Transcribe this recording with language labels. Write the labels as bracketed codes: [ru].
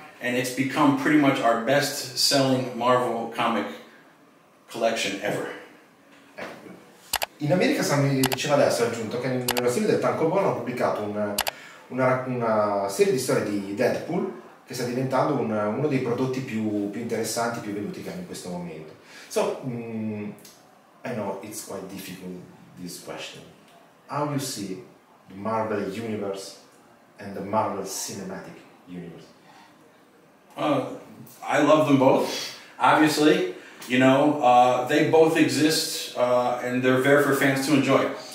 [en] And it's become pretty much our best-selling Marvel comic collection ever. [it] In America, Sam diceva adesso, ha aggiunto, che nella serie del tankobon ha pubblicato una serie di storie di Deadpool che sta diventando uno dei prodotti più interessanti, più venduti che hanno in questo momento. [en] So, I know it's quite difficult, this question. How you see the Marvel Universe and the Marvel Cinematic Universe? I love them both, obviously, you know, they both exist and they're there for fans to enjoy.